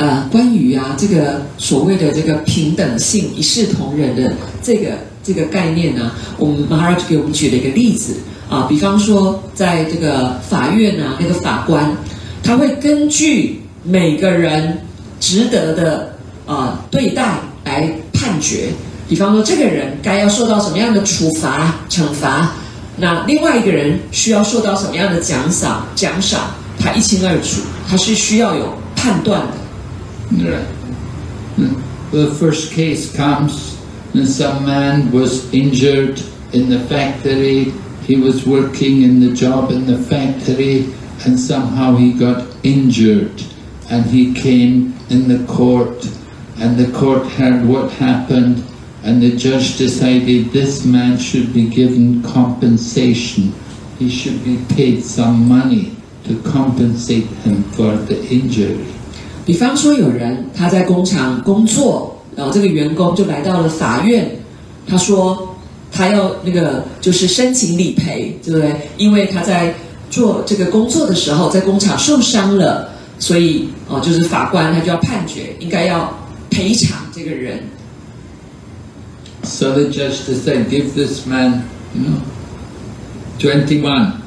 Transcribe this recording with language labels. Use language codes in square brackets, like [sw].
[zh] 关于啊这个所谓的这个平等性一视同仁的这个概念呢，我们 Maharaj 给我们举了一个例子啊，比方说在这个法院啊，那个法官他会根据每个人值得的对待来判决，比方说这个人该要受到什么样的处罚惩罚，那另外一个人需要受到什么样的奖赏，他一清二楚，他是需要有判断的。 [en] Right. The first case comes when some man was injured in the factory. He was working in the job in the factory and somehow he got injured and he came in the court and the court heard what happened and the judge decided this man should be given compensation. He should be paid some money to compensate him for the injury. [zh] 比方说有人他在工厂工作，然后这个员工就来到了法院，他说他要那个就是申请理赔，对不对？因为他在做这个工作的时候在工厂受伤了，所以就是法官他就要判决应该要赔偿这个人。 [en] So the judge decided to give this man 21